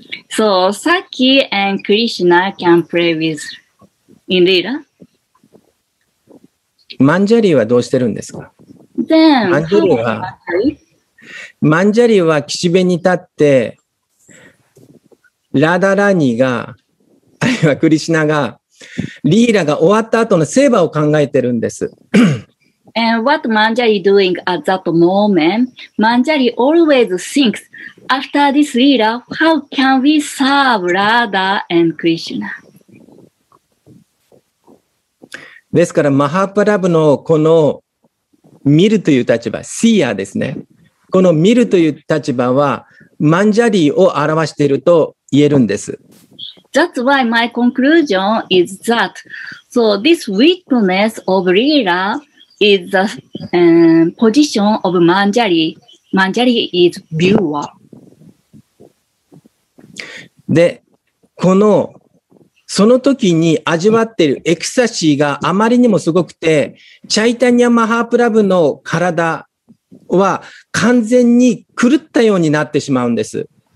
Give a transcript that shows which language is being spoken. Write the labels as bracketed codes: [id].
[en] So Saki and Krishna can play with in Leela. [ja] マンジャリーはどうしてるんですか？ [en] Then, [ja] マンジャリーは、マンジャリーは岸辺に立って、ラダラニが、あるいはクリシナが、リーラが終わった後のセーバーを考えてるんです。 [en] And what Manjari doing at that moment? Manjari always thinks, after this Leela, how can we serve Radha and Krishna? [ja] ですから、マハプラブのこの見るという立場、シーアですね。この見るという立場は、マンジャリーを表していると言えるんです。 [en] That's why my conclusion is that, so this witness of Leela is the、position of Manjari. Manjari is viewer. [ja] で、このその時に味わっているエクスタシーがあまりにもすごくて、チャイタニア・マハープラブの体は完全に狂ったようになってしまうんです。